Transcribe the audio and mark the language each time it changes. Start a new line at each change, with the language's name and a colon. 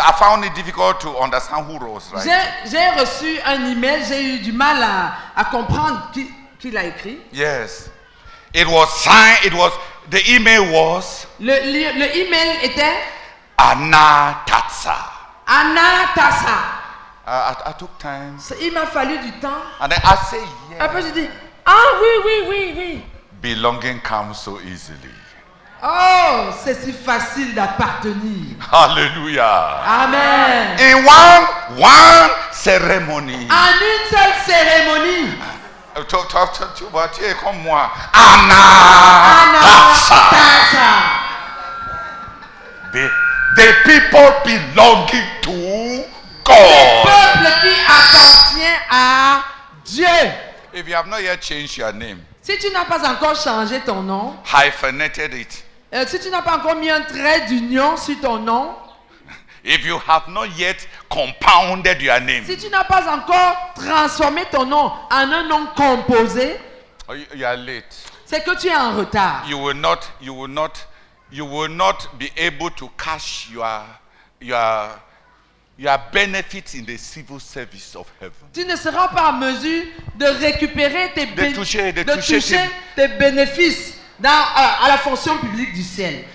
English: I found it difficult to understand who wrote. Right?
French: J'ai reçu un email. J'ai eu du mal à comprendre qui l'a écrit.
English: Yes, it was signed. It was the email was.
French: Le email était. Anatasa. Anatasa.
English: I took time.
French: Il m'a fallu du temps.
English: And then I say yes.
French: Après j'ai dit oui.
English: Belonging comes so easily.
French: Oh, c'est si facile d'appartenir. Alléluia. Amen.
English: In one ceremony.
French: En une seule cérémonie. Tu vois, tu es comme moi. Anatasa.
English: The people belonging to God.
French: Le peuple qui appartient à Dieu.
English: If you have not yet changed your name.
French: Si tu n'as pas encore changé ton nom.
English: Hyphenated it.
French: Si tu n'as pas encore mis un trait d'union sur ton nom,
English: if you have not yet compounded your name,
French: si tu n'as pas encore transformé ton nom en un nom composé,
English: you are late.
French: C'est que tu es en retard.
English: You will not you will not be able to cash your benefits in the civil service of heaven.
French: Tu ne seras pas en mesure de récupérer tes de toucher tes bénéfices dans à la fonction publique du ciel.